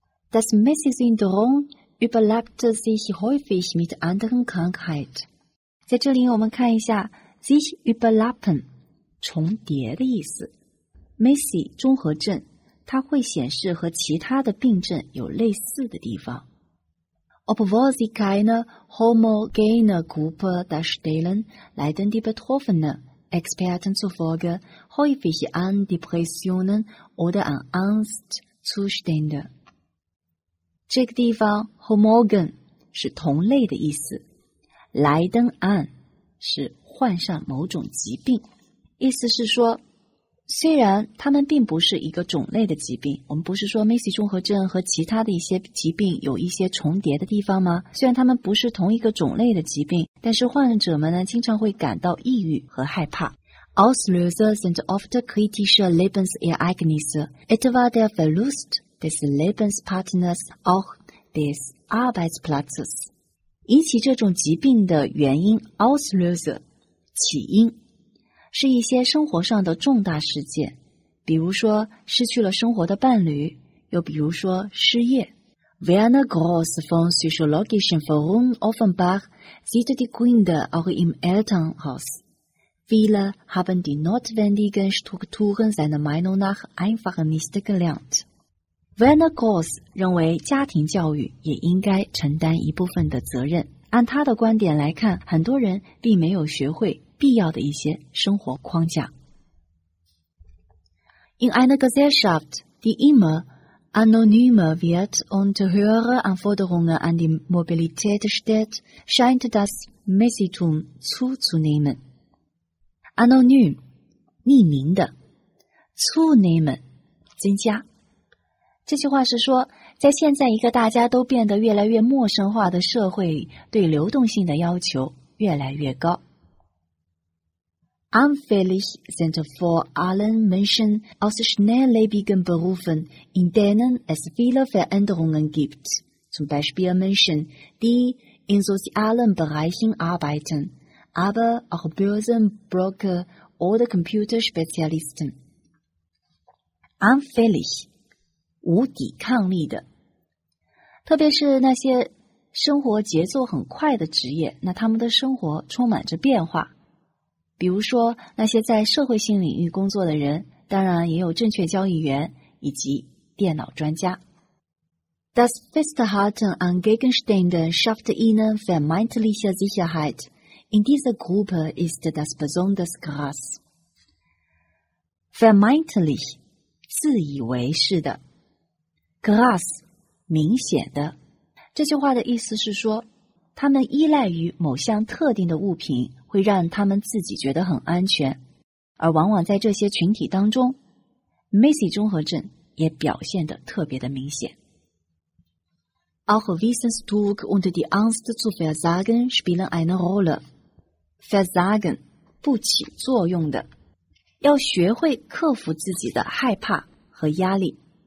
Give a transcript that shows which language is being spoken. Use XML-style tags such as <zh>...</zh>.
<de>Das MACI-Syndrom überlappt sich häufig mit anderen Krankheiten.</de> <zh>在这里我们看一下</zh> <de>sich überlappen,</de> <zh>重叠的意思。 MACI 综合症它会显示和其他的病症有类似的地方。</zh> <de>Obwohl sie keine homogene Gruppe darstellen, leiden die Betroffenen, Experten zufolge, häufig an Depressionen oder an Angstzustände.</de> <zh>这个地方 homogen 是同类的意思 ,</zh> <de>leiden an</de> <zh>是患上某种疾病。意思是说虽然它们并不是一个种类的疾病，我们不是说 MACI 综合症和其他的一些疾病有一些重叠的地方吗？虽然它们不是同一个种类的疾病，但是患者们呢经常会感到抑郁和害怕。</zh> <de>Auslöser sind oft kritische Lebensereignisse. Etwa der Verlust,des Lebenspartners, auch des Arbeitsplatzes.</de> <zh>引起这种疾病的原因 Auslöser, 起因是一些生活上的重大事件，比如说失去了生活的伴侣，又比如说失业。</zh> <de>Werner Gross vom Psychologischen Forum Offenbach sieht die Gründe auch im Elternhaus. Viele haben die notwendigen Strukturen seiner Meinung nach einfach nicht gelernt.</de> <zh>Werner Gross 认为家庭教育也应该承担一部分的责任。按他的观点来看，很多人并没有学会必要的一些生活框架。</zh> <de>In einer Gesellschaft, die immer anonymer wird und höhere Anforderungen an die Mobilität stellt, scheint das Messitum zuzunehmen.</de> <zh>Anonym, 匿名的 ,zunehmen, 增加。这句话是说，在现在一个大家都变得越来越陌生化的社会里，对流动性的要求越来越高。</zh> <de>Anfällig sind vor allen Menschen aus schnelllebigen Berufen, in denen es viele Veränderungen gibt, zum Beispiel Menschen, die in sozialen Bereichen arbeiten, aber auch Börsenbroker oder Computerspezialisten. Anfällig.</de> <zh>无抵抗力的，特别是那些生活节奏很快的职业，那他们的生活充满着变化。比如说那些在社会性领域工作的人，当然也有证券交易员以及电脑专家。</zh> <de>Das Festhalten an Gegenständen schafft ihnen vermeintliche Sicherheit. In dieser Gruppe ist das besonders krass.</de> <zh>Vermeintlich, 自以为是的。 Krass, 明显的。这句话的意思是说，他们依赖于某项特定的物品，会让他们自己觉得很安全。而往往在这些群体当中 ,MACI 综合症也表现得特别的明显。</zh> <de>Auch Wissensdruck und die Angst zu versagen spielen eine Rolle.</de> <zh>Versagen, 不起作用的。要学会克服自己的害怕和压力。</zh>